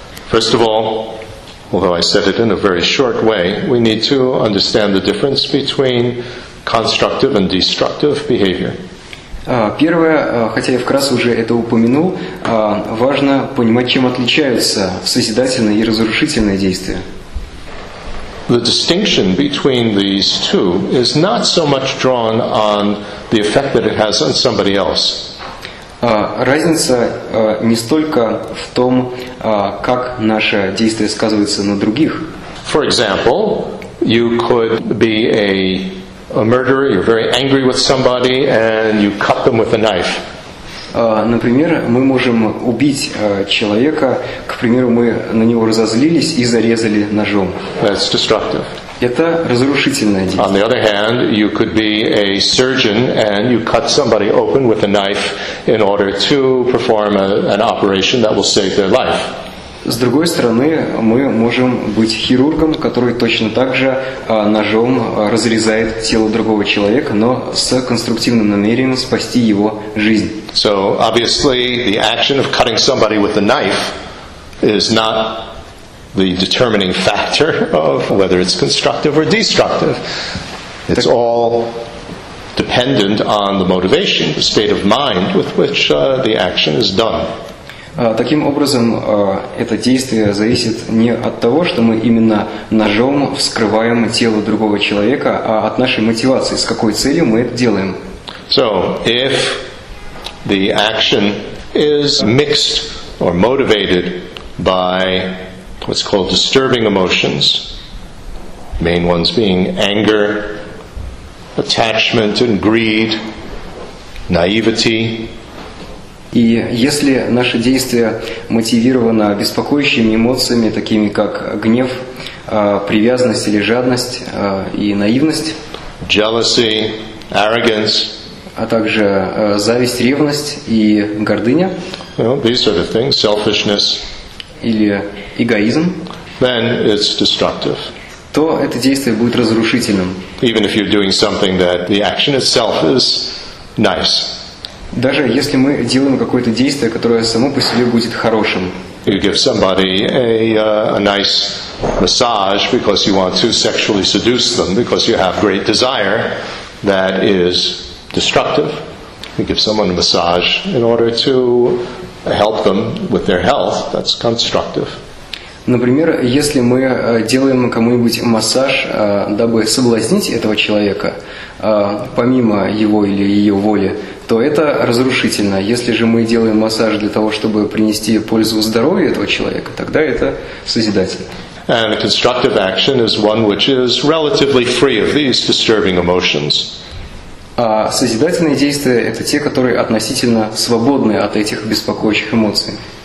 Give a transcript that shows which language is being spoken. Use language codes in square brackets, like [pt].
[en] First of all, although I said it in a very short way, we need to understand the difference between constructive and destructive behavior. [ru] Первое, хотя я вкратце уже это упомянул, важно понимать, чем отличаются созидательные и разрушительные действия. [en] The distinction between these two is not so much drawn on the effect that it has on somebody else. [ru] Разница не столько в том, как наше действие сказывается на других. [en] For example, you could be a murderer, you're very angry with somebody, and you cut them with a knife. [ru] Например, мы можем убить человека, к примеру, мы на него разозлились и зарезали ножом. [en] That's destructive. [ru] Это разрушительное действие. [en] On the other hand, you could be a surgeon and you cut somebody open with a knife in order to perform an operation that will save their life. [ru] С другой стороны, мы можем быть хирургом, который точно так же ножом разрезает тело другого человека, но с конструктивным намерением спасти его жизнь. [en] So, obviously, the action of cutting somebody with a knife is not the determining factor of whether it's constructive or destructive. It's all dependent on the motivation, the state of mind with which the action is done. [ru] Таким образом, это действие зависит не от того, что мы именно ножом вскрываем тело другого человека, а от нашей мотивации, с какой целью мы это делаем. [en] So, if the action is mixed or motivated by what's called disturbing emotions, main ones being anger, attachment and greed, naivety, [ru] и если наше действие мотивировано беспокоящими эмоциями, такими как гнев, привязанность или жадность и наивность, [en] jealousy, arrogance, [ru] а также зависть, ревность и гордыня, [en] these sort of things, selfishness, [ru] или эгоизм, [en] then it's destructive. [ru] То это действие будет разрушительным. [en] Even if you're doing something that the action itself is nice. [ru] Даже если мы делаем какое-то действие, которое само по себе будет хорошим. [en] You give somebody a nice massage because you want to sexually seduce them, because you have great desire that is destructive. You give someone a massage in order to help them with their health. That's constructive. [ru] Например, если мы делаем кому-нибудь массаж, дабы соблазнить этого человека, помимо его или ее воли, то это разрушительно. Если же мы делаем массаж для того, чтобы принести пользу здоровью этого человека, тогда это созидательно. [en] And a constructive action is one which is relatively free of these disturbing emotions. [ru] А созидательные действия – это те, которые относительно свободны от этих беспокоящих эмоций.